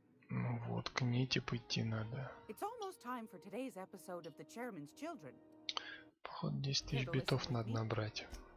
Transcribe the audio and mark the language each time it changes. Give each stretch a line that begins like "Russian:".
Russian: Ну вот, к ней типа идти надо.
English: It's almost time for today's episode of the Chairman's Children.
Russian: Походу, 10 тысяч битов надо набрать.